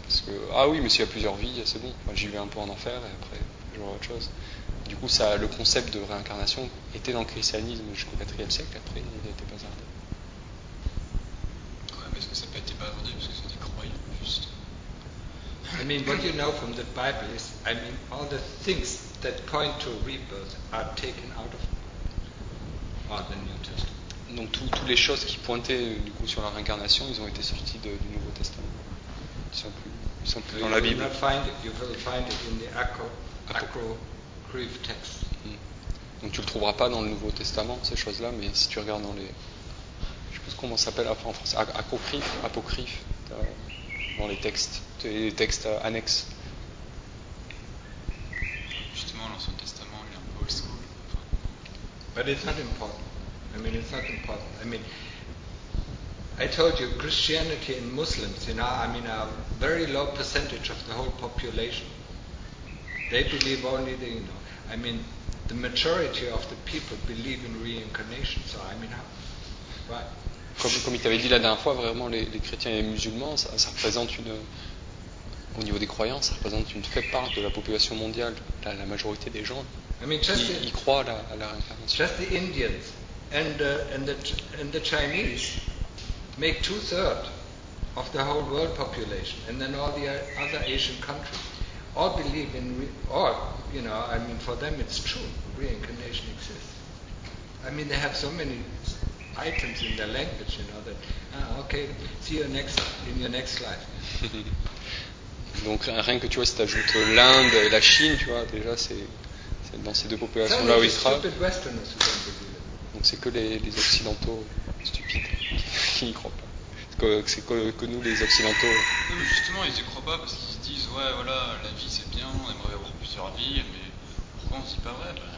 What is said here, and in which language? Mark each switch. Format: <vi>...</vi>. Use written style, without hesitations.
<fr>Parce que, ah oui, mais s'il y a plusieurs vies, c'est bon, enfin, j'y vais un peu en enfer et après, je vois autre chose. Du coup, ça, le concept de réincarnation était dans le christianisme jusqu'au 4e siècle. Après, il a été bazardé. Ouais, mais est-ce que ça n'a pas été bazardé parce que c'est des croyants, juste?</fr> <en>I mean, what you know from the Bible is, I mean, all the things that point to rebirth are taken out of the New Testament.</en> <fr>Donc, toutes les choses qui pointaient, du coup, sur la réincarnation, ils ont été sortis du Nouveau Testament. Ils sont plus dans la Bible.</fr> <en>You will find it in the text.</en> <fr>Donc tu le trouveras pas dans le Nouveau Testament, ces choses-là, mais si tu regardes dans les, je sais pas comment ça s'appelle en français, apocryphe, dans les textes, annexes. Justement, l'Ancien Testament, il est un peu old school.</fr> <en>But it's not important. I mean, it's not important. I mean, I told you, Christianity and Muslims, you know, I mean, a very low percentage of the whole population. They believe only the, you know, I mean, the majority of the people believe in reincarnation. So I mean, right?</en> <fr>Comme il t'avait dit la dernière fois, vraiment les chrétiens et les musulmans, ça représente une, au niveau des croyances, ça représente une faible part de la population mondiale. La majorité des gens,</fr> <en>I mean, just</en> <fr>ils croient à la réincarnation.</fr> <en>Just the Indians and the Chinese make 2/3 of the whole world population, and then all the other Asian countries. All believe in, or, you know, I mean, for them it's true, reincarnation exists. I mean, they have so many items in their language, you know, that, okay, see you next, in your next life.</en> <fr>Donc, rien que, tu vois, si tu ajoutes l'Inde et la Chine, tu vois, déjà, c'est dans ces deux populations-là où ils travaillent. Donc, c'est que les Occidentaux stupides qui n'y croient pas. C'est que nous, les Occidentaux. Non, justement, ils n'y croient pas parce qu'ils se disent, ouais, voilà, la vie c'est bien, on aimerait avoir plusieurs vies, mais pourquoi on ne dit pas vrai?</fr>